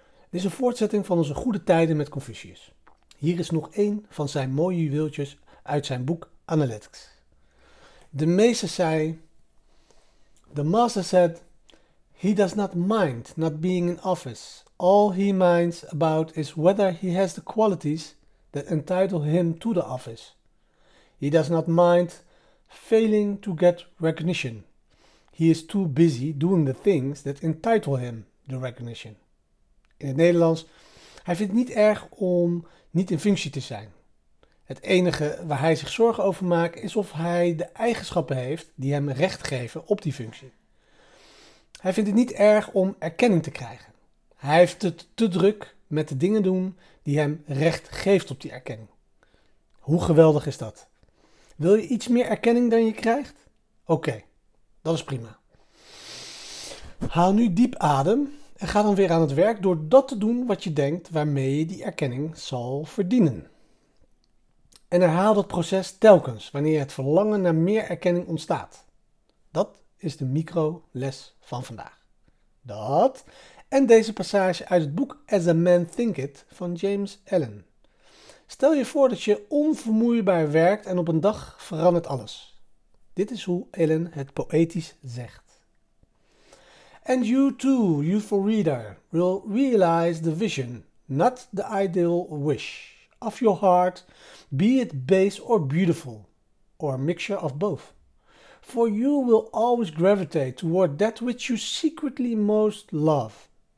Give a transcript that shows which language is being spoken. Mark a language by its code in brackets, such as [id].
[nl] Dit is een voortzetting van onze goede tijden met Confucius. Hier is nog één van zijn mooie juweeltjes uit zijn boek Analytics. De meester zei: [en] The master said, he does not mind not being in office. All he minds about is whether he has the qualities that entitle him to the office. He does not mind failing to get recognition. He is too busy doing the things that entitle him the recognition. [nl] In het Nederlands, hij vindt het niet erg om niet in functie te zijn. Het enige waar hij zich zorgen over maakt is of hij de eigenschappen heeft die hem recht geven op die functie. Hij vindt het niet erg om erkenning te krijgen. Hij heeft het te druk met de dingen doen die hem recht geeft op die erkenning. Hoe geweldig is dat? Wil je iets meer erkenning dan je krijgt? Oké, dat is prima. Haal nu diep adem en ga dan weer aan het werk door dat te doen wat je denkt waarmee je die erkenning zal verdienen. En herhaal dat proces telkens wanneer het verlangen naar meer erkenning ontstaat. Dat is de microles van vandaag. Dat en deze passage uit het boek As a Man Thinketh van James Allen. Stel je voor dat je onvermoeibaar werkt en op een dag verandert alles. Dit is hoe Ellen het poëtisch zegt. [en] And you too, youthful reader, will realize the vision, not the ideal wish, of your heart, be it base or beautiful, or a mixture of both. For you will always gravitate toward that which you secretly most love.